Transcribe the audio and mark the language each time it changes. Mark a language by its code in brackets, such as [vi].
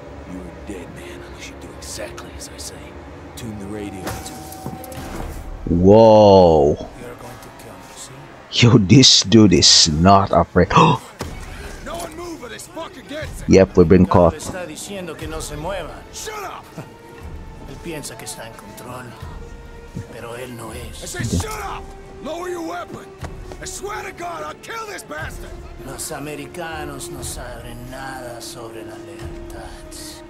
[en] You're a dead man unless you do exactly as I say. Tune the radio to. Whoa. You're going to kill me, see? Yo, this dude is not afraid. No one move or this fucker gets it. Yep, we've been caught. [es] Está diciendo que no se muevan. [en] Shut up! [es] Él piensa que está en control, pero él no es. [en] I said shut up! Lower your weapon! I swear to God, I'll kill this bastard! [es] Los americanos no saben nada sobre la lealtad.